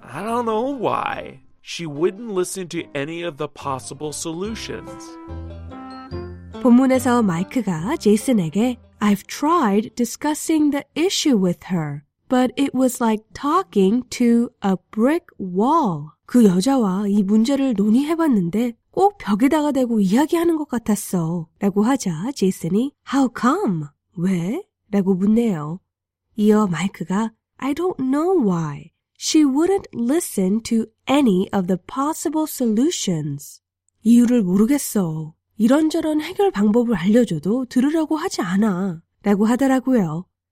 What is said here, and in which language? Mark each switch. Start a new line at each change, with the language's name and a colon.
English: I don't know why. She wouldn't listen to any of the possible solutions.
Korean: 본문에서 마이크가 제이슨에게
English: I've tried discussing the issue with her, but it was like talking to a brick wall.
Korean: 그 여자와 이 문제를 논의해봤는데 꼭 벽에다가 대고 이야기하는 것 같았어. 라고 하자 제이슨이
English: How come?
Korean: 왜? 라고 묻네요. 이어 마이크가
English: I don't know why. She wouldn't listen to any of the possible solutions.
Korean: 이유를 모르겠어. 이런저런 해결 방법을 알려줘도 들으려고 하지 않아 라고 하더라고요.